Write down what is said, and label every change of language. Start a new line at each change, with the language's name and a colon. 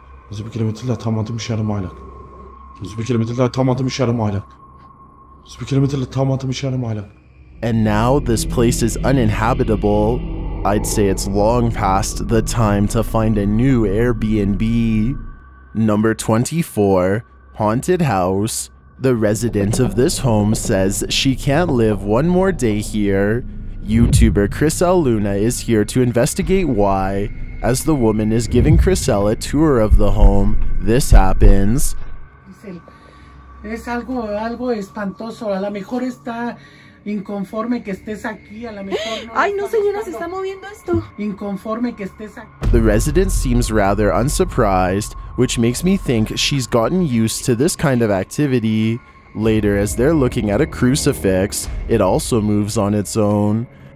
English: Biz bir kilometre daha tamamladım iş yarım aylak. Biz bir kilometre daha tamamladım iş yarım aylak. Biz bir kilometre daha tamamladım iş yarım aylak. And now this place is uninhabitable. I'd say it's long past the time to find a new Airbnb. Number 24, haunted house. The resident of this home says she can't live one more day here. YouTuber Chris L. Luna is here to investigate why. As the woman is giving Chris L. a tour of the home, this happens.
Spanish: Es algo espantoso. A lo mejor está inconforme que estés aquí. A lo mejor. Ay, no, señora, se está moviendo esto. Inconforme que estés aquí.
English: The resident seems rather unsurprised, which makes me think she's gotten used to this kind of activity. Later, as they're looking at a crucifix, it also moves on its own.